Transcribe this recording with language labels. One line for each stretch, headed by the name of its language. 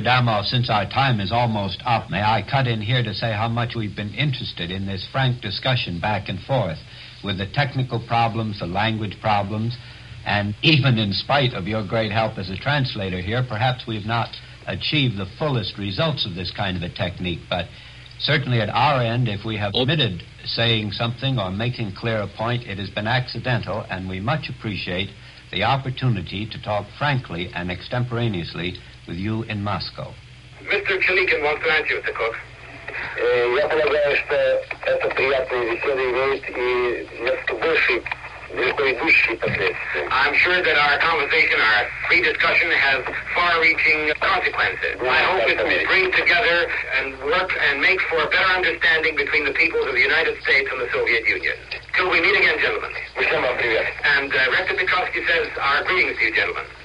English: Adamov, since our time is almost up, may I cut in here to say how much we've been interested in this frank discussion back and forth with the technical problems, the language problems, and even in spite of your great help as a translator here, perhaps we've not achieved the fullest results of this kind of a technique, but certainly at our end, if we have omitted saying something or making clear a point, it has been accidental, and we much appreciate the opportunity to talk frankly and extemporaneously with you in Moscow. Mr. Chilikin wants to answer, Mr. Cook.
Russian: Я полагаю, что эта приятная беседа имеет и несколько больше предыдущие последствия.
English: I'm sure that our conversation, our free discussion, has far-reaching consequences. I hope it will bring together and work and make for a better understanding between the peoples of the United States and the Soviet Union. Till we meet again, gentlemen. And Rector Petrovsky says our greetings to you, gentlemen.